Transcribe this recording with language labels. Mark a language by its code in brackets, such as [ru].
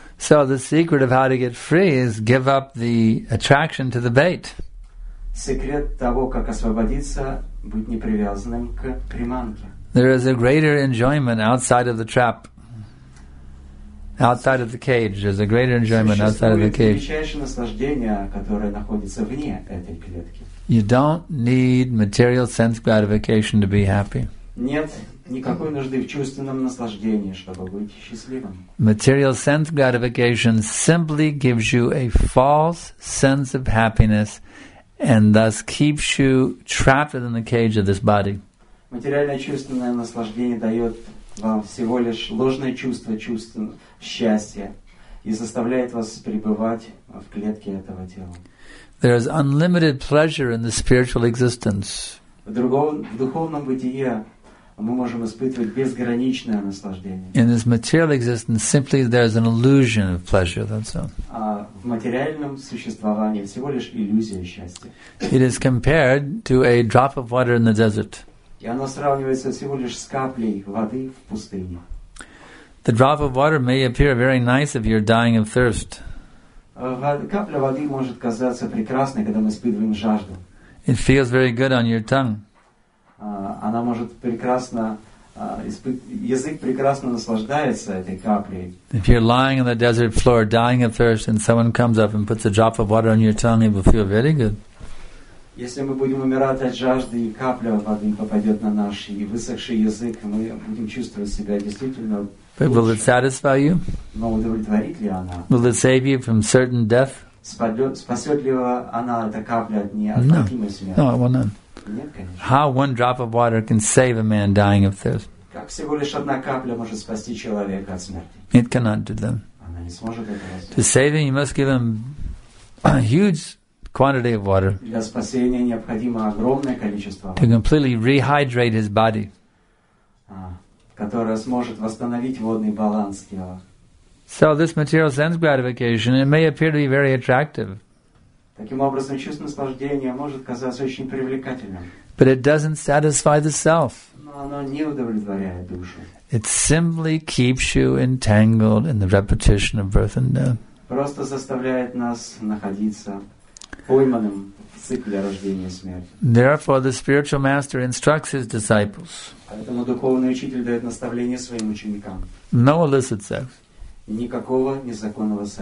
[en] So the secret of how to get free is give up the attraction to the bait. [ru] Секрет того, как освободиться, быть непривязанным к приманке. [en] There is a greater enjoyment outside of the trap. Outside of the cage, there's a greater enjoyment outside of the cage. [ru] Величайшее наслаждение, которое находится вне этой клетки. [en] You don't need material sense gratification to be happy. [ru] Нет никакой нужды в чувственном наслаждении, чтобы быть счастливым. [en] Material sense gratification simply gives you a false sense of happiness and thus keeps you trapped in the cage of this body. [ru] Материальное чувственное наслаждение дает вам всего лишь ложное чувство счастья и заставляет вас пребывать в клетке этого тела. [en] There is unlimited pleasure in the spiritual existence. [ru] В духовном бытии мы можем испытывать безграничное наслаждение. [en] In this material existence, simply there is an illusion of pleasure, that's all. [ru] В материальном существовании всего лишь иллюзия счастья. [en] It is compared to a drop of water in the desert. [ru] И оно сравнивается всего лишь с каплей воды в пустыне. [en] The drop of water may appear very nice if you're dying of thirst. [ru] Капля воды может казаться прекрасной, когда мы испытываем жажду. [en] It feels very good on your tongue. [ru] Она может прекрасно, язык прекрасно наслаждается этой каплей. [en] If you're lying on the desert floor, dying of thirst, and someone comes up and puts a drop of water on your tongue, it will feel very good. [ru] Если мы будем умирать от жажды, и капля воды попадет на наш высохший язык, мы будем чувствовать себя действительно лучше. [en] Will it satisfy you? [ru] Но удовлетворит ли она? [en] Will it save you from certain death? [ru] Спасет ли она эта капля от неотвратимой смерти? [en] No, it will not. How one drop of water can save a man dying of thirst. [ru] Как всего лишь одна капля может спасти человека от смерти. [en] It cannot do them. [ru] Она не сможет этого сделать. [en] To save him, you must give him a huge quantity of water. [ru] Для спасения необходимо огромное количество воды. [en] To completely rehydrate his body. [ru] Которая сможет восстановить водный баланс тела. [en] So this material sense gratification, it may appear to be very attractive. [ru] Таким образом, чувство наслаждения может казаться очень привлекательным. [en] But it doesn't satisfy the self. [ru] Но оно не удовлетворяет душу. [en] It simply keeps you entangled in the repetition of birth and death. [ru] Просто заставляет нас находиться пойманным в цикле рождения и смерти. [en] Therefore, the spiritual master instructs his disciples. [ru] Поэтому духовный учитель дает наставление своим ученикам. [en] No illicit sex. [ru] Никакого незаконного секса.